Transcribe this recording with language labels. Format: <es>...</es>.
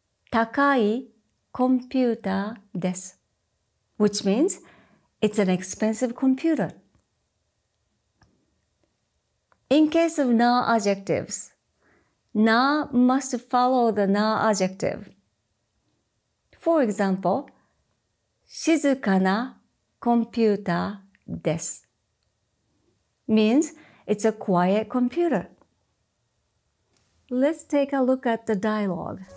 <ja>高いコンピューターです。</ja> <en>Which means, it's an expensive computer. In case of na adjectives, na must follow the na adjective. For example,</en> <ja>静かなコンピューターです。</ja> <en>Means it's a quiet computer. Let's take a look at the dialogue.</en>